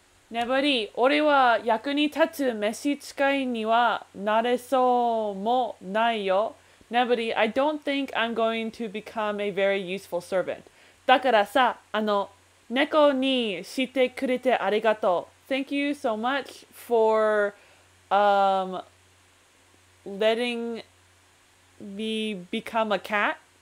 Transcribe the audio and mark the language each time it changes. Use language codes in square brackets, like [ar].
[ja] ネブリ、俺は役に立つ召使いにはなれそうもないよ。 [en] ネブリ、I don't think I'm going to become a very useful servant. [ja] だからさ、猫にしてくれてありがとう。 [en] Thank you so much for, letting me become a cat.